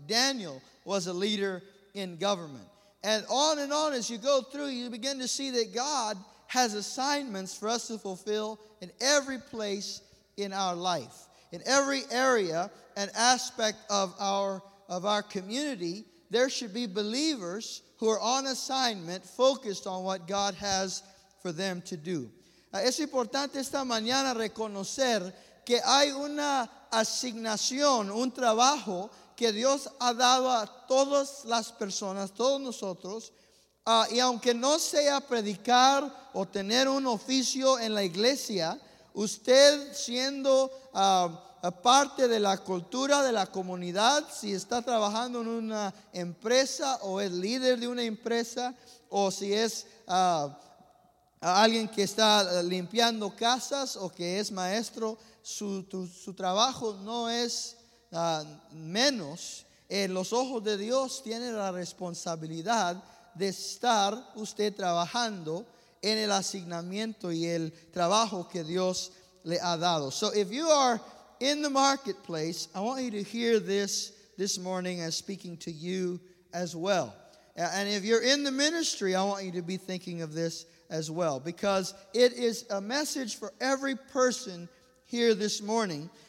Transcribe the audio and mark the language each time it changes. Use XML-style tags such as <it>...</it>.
<en>Daniel was a leader in government. And on as you go through, you begin to see that God has assignments for us to fulfill in every place in our life. In every area and aspect of our community, there should be believers who are on assignment, focused on what God has for them to do.</en> <es>Es importante esta mañana reconocer que hay una asignación, un trabajo que Dios ha dado a todas las personas, todos nosotros, y aunque no sea predicar o tener un oficio en la iglesia, usted siendo parte de la cultura, de la comunidad, si está trabajando en una empresa o es líder de una empresa, o si es alguien que está limpiando casas o que es maestro, su trabajo no es menos. En los ojos de Dios tiene la responsabilidad de estar usted trabajando en el asignamiento y el trabajo que Dios le ha dado.</es> <en>So if you are in the marketplace, I want you to hear this morning as speaking to you as well. And if you're in the ministry, I want you to be thinking of this as well, because it is a message for every person here this morning.</en>